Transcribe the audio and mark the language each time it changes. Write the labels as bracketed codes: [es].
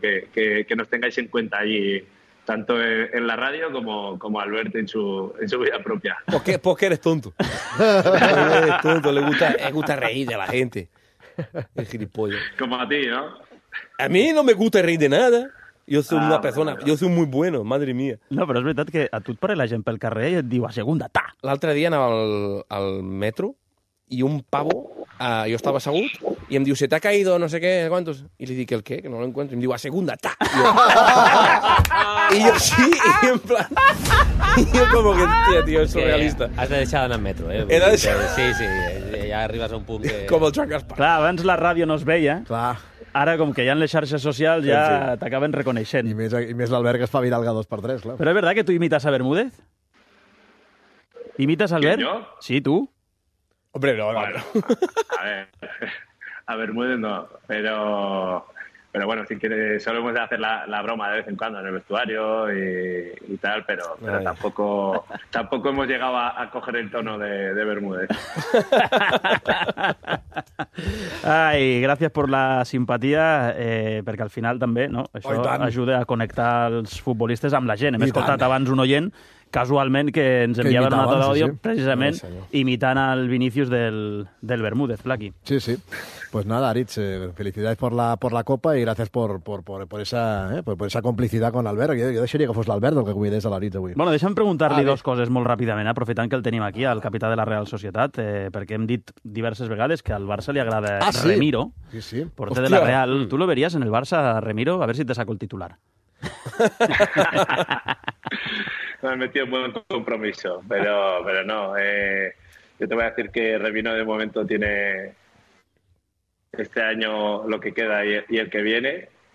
[es] Que nos tengáis en cuenta allí, tanto en la radio como Albert en su vida propia. ¿Por qué eres tonto? Eres tonto, le gusta reír de la gente. El gilipollas. Como a ti, ¿no? A mí no me gusta reír de nada. [ca] Jo soc una persona, jo soc molt bueno, [es] madre mía. [ca] No, però és veritat que a tu et pare la gent pel carrer i et diu a segunda, ta. L'altre dia anava al metro i un pavo, jo estava assegut, i em diu, se t'ha caído no sé què, quantos? I li dic, el què? Que no l'encuentro. I em diu, a segunda, ta. I jo així, i en plan... I jo com que, tio, és surrealista. Que has de deixar d'anar en metro, eh? He de deixar... Sí, ja arribes a un punt que... Com el Joan Gaspar. Clar, abans la ràdio no es veia. Clar. Ara, com que hi ha les xarxes socials, ja sí. T'acaben reconeixent. I més l'Albert que es fa viral cada 2x3, clar. Però és veritat que tu imites a Bermúdez? Imites, Albert? Jo? Sí, tu. [es] Hombre, no, bueno. [ca] A Bermúdez no, però... [es] Pero bueno, sí que solemos hacer la broma de vez en cuando en el vestuario y tal, pero tampoco hemos llegado a coger el tono de Bermúdez. Ay, gracias por la simpatía, porque al final también, ¿no? Eso ayuda a conectar los futbolistas [ca] amb la gent. Hem escoltat abans un oient casualment que ens enviava una nota d'àudio precisament imitant el Vinícius del Bermúdez, Flaqui. Sí, sí. [es] Pues nada, Aritz, felicidades por la copa y gracias por esa complicidad con Albert. [ca] Yo deixaria que fos l'Albert el que cuidés a l'Aritz avui. Bueno, deixa'm preguntar-li dos coses molt ràpidament, aprofitant que el tenim aquí, al capità de la Real Societat, perquè hem dit diverses vegades que al Barça li agrada Remiro. Sí, sí. Porter de la Real. [es] Tu lo verías en el Barça, Remiro? A ver si te saco el titular. Me he metido en buen compromiso, pero no. Yo te voy a decir que Remiro de momento tiene este año lo que queda y el que viene.